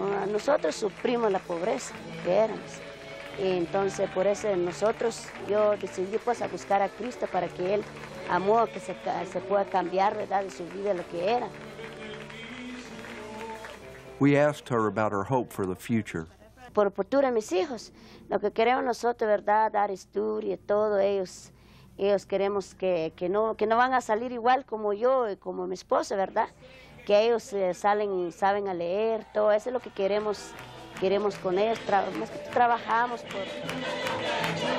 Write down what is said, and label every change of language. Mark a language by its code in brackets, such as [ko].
[es] Nosotros sufrimos la pobreza, que éramos. Y entonces, por eso nosotros, yo decidí pues a buscar a Cristo para que Él amó, que se pueda cambiar, ¿verdad?, de su vida lo que era. [en] We asked her about her hope for the future. [es] Por el futuro de mis hijos, lo que queremos nosotros, ¿verdad?, dar estudio y todo, ellos queremos que no van a salir igual como yo y como mi esposa, ¿verdad?, que ellos salen, saben a leer, todo eso es lo que queremos con ellos, más que trabajamos por...